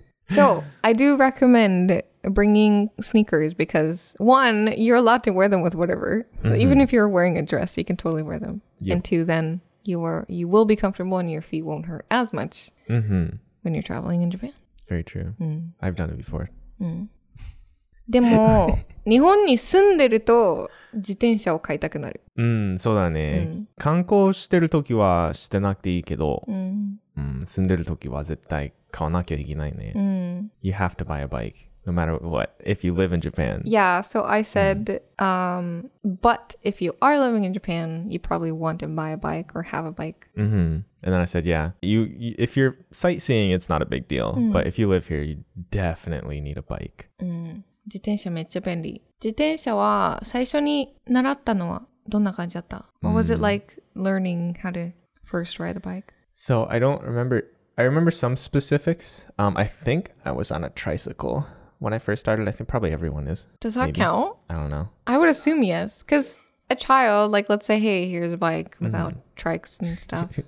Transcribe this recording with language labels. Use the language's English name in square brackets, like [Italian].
[English] So I do recommend bringing sneakers because one, you're allowed to wear them with whatever. Mm-hmm. Even if you're wearing a dress, you can totally wear them. Yep. And two, then you will be comfortable and your feet won't hurt as much when you're traveling in Japan. Very true. Mm. I've done it before. [Japanese] でも、日本に住んでると自転車を買いたくなる。うん、そうだね。観光してるときはしてなくていいけど、住んでるときは絶対買わなきゃいけないね。 [English] You have to buy a bike, no matter what, if you live in Japan. Yeah, so I said, but if you are living in Japan, you probably want to buy a bike or have a bike. Mm-hmm. And then I said, yeah, if you're sightseeing, it's not a big deal. But if you live here, you definitely need a bike. [Japanese] 自転車めっちゃ便利。自転車は最初に習ったのはどんな感じだった? [English] What was it like learning how to first ride a bike? So I don't remember. I remember some specifics. I think I was on a tricycle when I first started. I think probably everyone is. Does that count? I don't know. I would assume yes. Because a child, like let's say, hey, here's a bike without trikes and stuff.